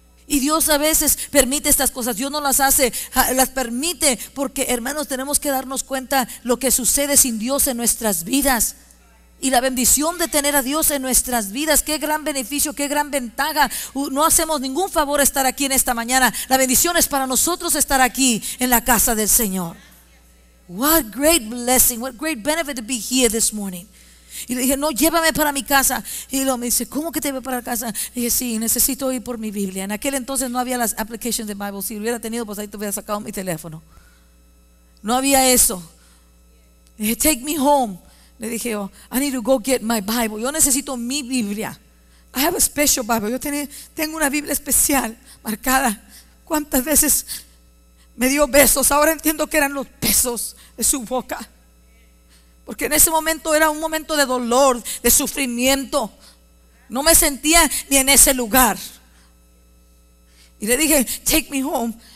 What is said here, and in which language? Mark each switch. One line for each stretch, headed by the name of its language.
Spanish: Y Dios a veces permite estas cosas. Dios no las hace, las permite, porque hermanos, tenemos que darnos cuenta lo que sucede sin Dios en nuestras vidas. Y la bendición de tener a Dios en nuestras vidas, qué gran beneficio, qué gran ventaja. No hacemos ningún favor estar aquí en esta mañana. La bendición es para nosotros estar aquí en la casa del Señor.
English: What great blessing, what great benefit to be here this morning.
Spanish: Y le dije, no, llévame para mi casa. Y luego me dice, ¿cómo que te voy para la casa? Y dije, sí, necesito ir por mi Biblia. En aquel entonces no había las applications de Bible. Si lo hubiera tenido, pues ahí te hubiera sacado mi teléfono. No había eso. Y dije,
English: take me home.
Spanish: Le dije,
English: oh, I need to go get my Bible.
Spanish: Yo necesito mi Biblia.
English: I have a special Bible.
Spanish: Yo tengo una Biblia especial, marcada. ¿Cuántas veces me dio besos? Ahora entiendo que eran los besos de su boca. Porque en ese momento era un momento de dolor, de sufrimiento. No me sentía ni en ese lugar. Y le dije,
English: take me home.